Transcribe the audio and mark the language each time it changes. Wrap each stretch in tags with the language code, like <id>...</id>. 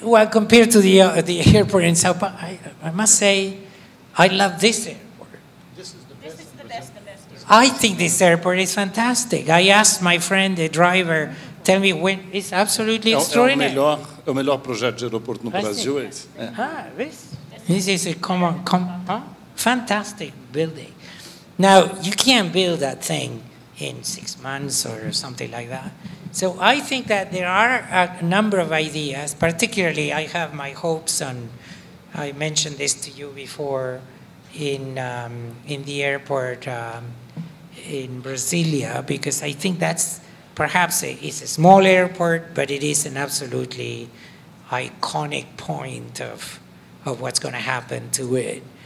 <en>compared to the airport in Sao Paulo, I must say, I love this airport. This is the best. I think this airport is fantastic. I asked my friend, the driver, tell me when. It's absolutely extraordinary.</en> <pt>É o melhor projeto de aeroporto no Brasil, é isso?</pt> <en>This is a common... fantastic building. Now, you can't build that thing in 6 months or something like that. So I think that there are a number of ideas, particularly I have my hopes on, I mentioned this to you before, in the airport in Brasilia, because I think that's perhaps it's a small airport, but it is an absolutely iconic point of what's going to happen to it.</en>